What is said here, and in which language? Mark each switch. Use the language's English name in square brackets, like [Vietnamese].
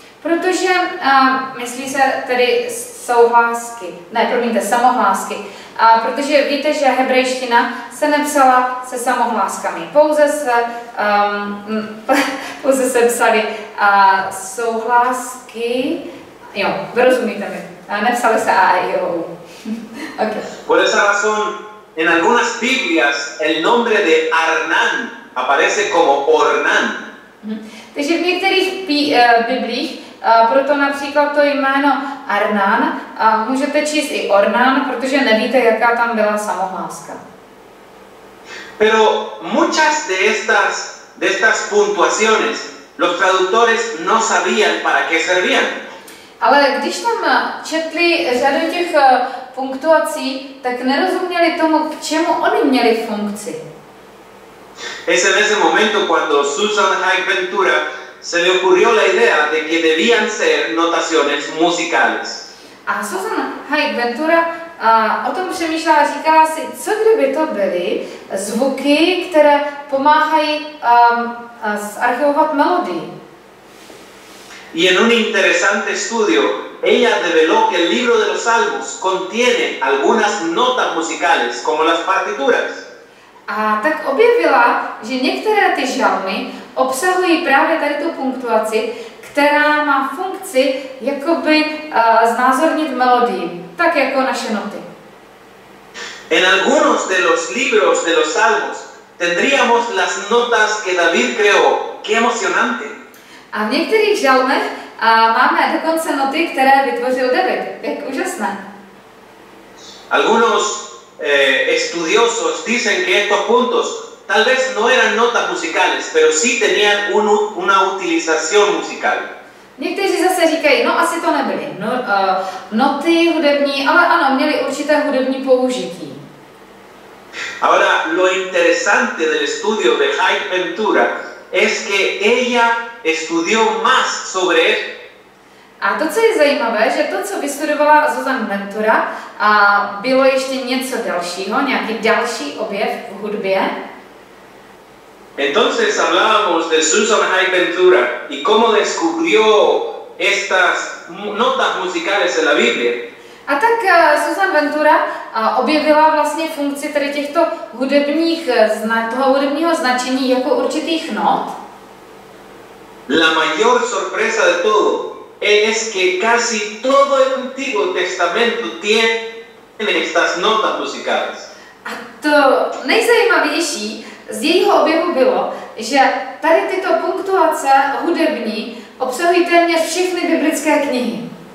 [Czech] Protože myslí se tedy souhlásky, ne, promiňte, samohlásky. Protože víte, že hebrejština se nepsala se samohláskami, pouze se psaly souhlásky, jo, rozumíte mi, nepsaly se a i o. [Spanish] Por esa razón, en algunas Biblias el nombre de Hernán aparece como Hernán. [Czech] Takže v některých Biblích, proto například to jméno Hernán, můžete číst i Hernán, protože nevíte, jaká tam byla samohláska. [Spanish] Pero muchas de estas puntuaciones los traductores no sabían para qué servían. [Czech] Ale když tam četli řadu těch punktuací, tak nerozuměli tomu, k čemu oni měli funkci. [Spanish] Es en ese momento cuando Susan Hike Ventura se le ocurrió la idea de que debían ser notaciones musicales. [Czech] A Susan Hike Ventura o tom přemýšlela, říkala si, co kdyby to byly zvuky, které pomáhají zarchivovat melodii. [Spanish] Y en un interesante estudio, ella develó que el libro de los Salmos contiene algunas notas musicales, como las partituras. [Czech] A tak objevila, že některé ty žalmy obsahují právě tady tu punktuaci, která má funkci jakoby znázornit melodii, tak jako naše noty. [Spanish] En algunos de los libros de los Salmos tendríamos las notas que David creó. ¡Qué emocionante! [Czech] A v některých žalmech máme dokonce noty, které vytvořil David. Jak úžasné. [Spanish] Algunos estudiosos dicen que estos puntos tal vez no eran notas musicales, pero sí tenían una utilización musical. [Czech] Někteří zase říkají, no asi to nebyly noty hudební, ale ano, měly určité hudební použití. [Spanish] Ahora, lo interesante del estudio de Hike Ventura es que ella estudió más sobre él. [Czech] A to, co je zajímavé, že to, co vystudovala Susan Ventura, bylo ještě něco dalšího, nějaký další objev v hudbě. [Spanish] Entonces hablábamos de Susan Hike Ventura y cómo descubrió estas notas musicales en la Biblia. [Czech] A tak Susan Ventura objevila vlastně funkci tady těchto hudebního značení jako určitých not. [Spanish] La mayor sorpresa de todo es que casi todo el Antiguo Testamento tiene estas notas musicales. [Czech] A to nejzajímavější z jejího objevu bylo, že tady tyto punktuace hudební obsahují téměř všechny biblické knihy.